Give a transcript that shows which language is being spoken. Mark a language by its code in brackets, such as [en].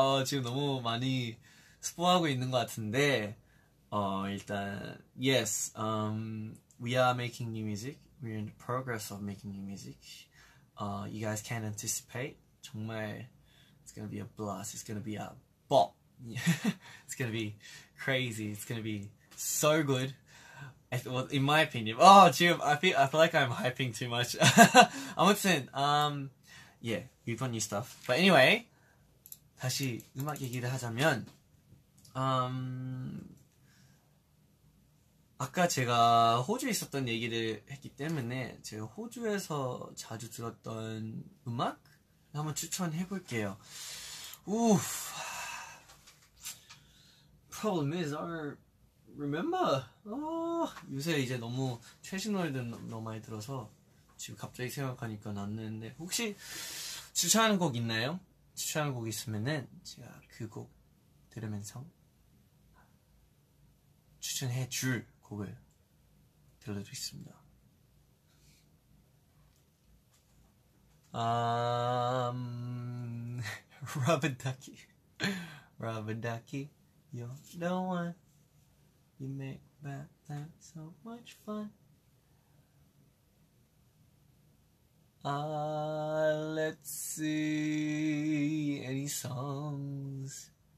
[ko] 지금 너무 많이 스포하고 있는 것 같은데. 일단 [en] yes. We are making new music. We're in the progress of making new music. You guys can anticipate. [ko] 정말 [en] it's gonna be a blast. It's gonna be a bop. It's gonna be crazy. It's gonna be so good. Well, in my opinion. Oh, [ko] 지금 [en] I feel like I'm hyping too much. [ko] 아무튼 [en] yeah, we've got new stuff. But anyway, [ko] 다시 음악 얘기를 하자면, 아까 제가 호주에 있었던 얘기를 했기 때문에 제가 호주에서 자주 들었던 음악 한번 추천해 볼게요. Oof. [en] Problem is, I remember. [ko] 요새 이제 너무 최신 노래들 너무 많이 들어서 지금 갑자기 생각하니까 났는데 혹시 추천하는 곡 있나요? 추천하는 곡 있으면은 제가 그 곡 들으면서 추천해 줄 곡을 들려드리겠습니다. 라벤다키 라벤다키 [en] You're the one You make that sound so much fun let's see any songs.